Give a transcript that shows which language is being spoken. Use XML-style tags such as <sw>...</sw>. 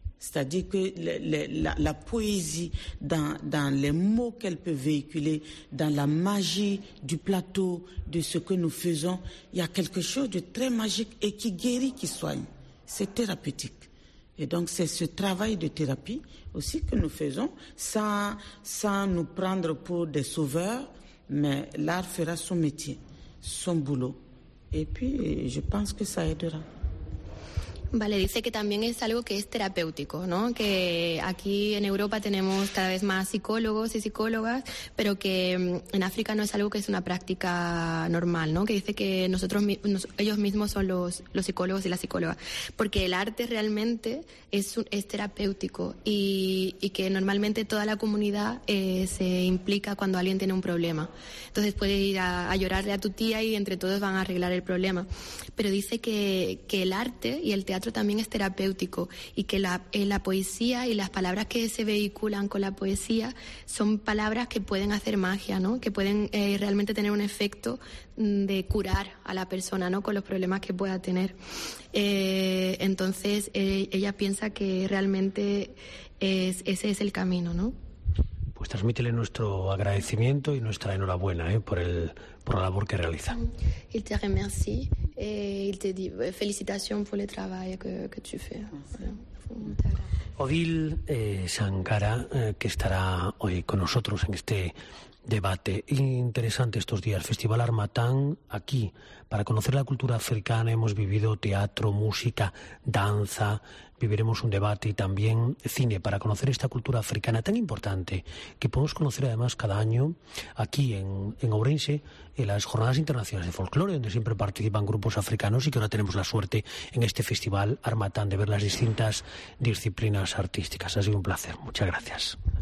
<fr>C'est-à-dire que la poésie, dans les mots qu'elle peut véhiculer, dans la magie du plateau, de ce que nous faisons, il y a quelque chose de très magique et qui guérit, qui soigne. C'est thérapeutique. Et donc, c'est ce travail de thérapie aussi que nous faisons, sans nous prendre pour des sauveurs, mais l'art fera son métier. Son boulot. Et puis, je pense que ça aidera.</fr> <es>Vale, dice que también es algo que es terapéutico, ¿no? Que aquí en Europa tenemos cada vez más psicólogos y psicólogas, pero que en África no es algo que es una práctica normal, ¿no? Que dice que ellos mismos son los psicólogos y las psicólogas, porque el arte realmente es terapéutico y que normalmente toda la comunidad se implica cuando alguien tiene un problema. Entonces puedes ir a llorarle a tu tía y entre todos van a arreglar el problema. Pero dice que el arte y el teatro teatro también es terapéutico y que la poesía y las palabras que se vehiculan con la poesía son palabras que pueden hacer magia, ¿no? Que pueden realmente tener un efecto de curar a la persona, ¿no? Con los problemas que pueda tener. Entonces, ella piensa que realmente ese es el camino, ¿no? Pues transmítele nuestro agradecimiento y nuestra enhorabuena por la labor que realiza.</es> <fr>Il te remercie et il te dit félicitations pour le travail que tu fais.</fr> <es>Odile Sankara, que estará hoy con nosotros en este debate interesante estos días. Festival Harmattan, aquí, para conocer la cultura africana, hemos vivido teatro, música, danza. Viviremos un debate y también cine para conocer esta cultura africana tan importante que podemos conocer además cada año aquí en Ourense en las Jornadas Internacionales de Folclore, donde siempre participan grupos africanos y que ahora tenemos la suerte en este festival Harmattan de ver las distintas disciplinas artísticas. Ha sido un placer. Muchas gracias.</es>